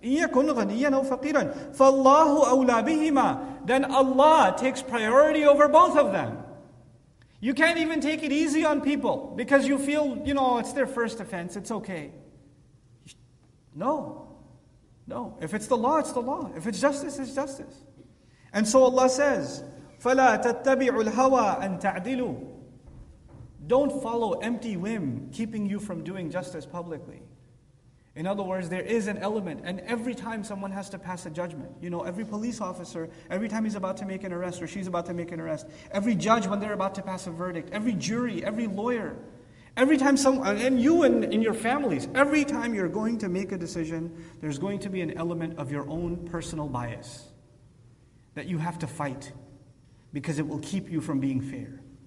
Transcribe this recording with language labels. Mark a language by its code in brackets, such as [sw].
[ar] إِن يَكُنْ غَنِيًّا أَوْ فَقِيرًا فَاللَّهُ أَوْلَى بِهِمَا. [en] Then Allah takes priority over both of them. You can't even take it easy on people because you feel, you know, it's their first offense, it's okay. No. If it's the law, it's the law. If it's justice, it's justice. And so Allah says, [ar] فَلَا تَتَّبِعُ الْهَوَىٰ أَن تَعْدِلُوا. [en] Don't follow empty whim keeping you from doing justice publicly. In other words, there is an element, and every time someone has to pass a judgment, you know, every police officer, every time he's about to make an arrest or she's about to make an arrest, every judge when they're about to pass a verdict, every jury, every lawyer, every time and your families, every time you're going to make a decision, there's going to be an element of your own personal bias that you have to fight because it will keep you from being fair.